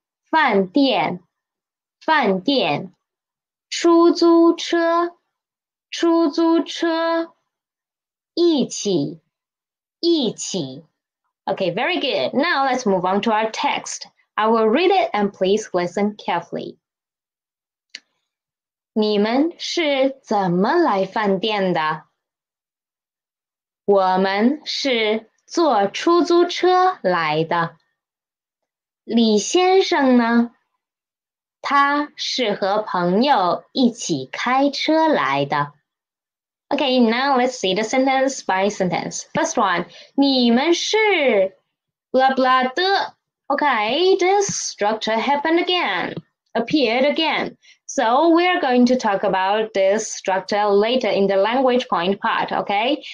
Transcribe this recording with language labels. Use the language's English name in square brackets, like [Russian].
[Chinese] 饭店、饭店、出租车、出租车、一起、一起。 [English] Okay, very good. Now let's move on to our text. I will read it and please listen carefully. [Chinese] 你们是怎么来饭店的？我们是坐出租车来的。李先生呢？他是和朋友一起开车来的。 [English] Okay, now let's see the sentence by sentence. First one, [Chinese] 你们是 [English] blah blah 的。 Okay, this structure happened again, appeared again. So we're going to talk about this structure later in the language point part, okay?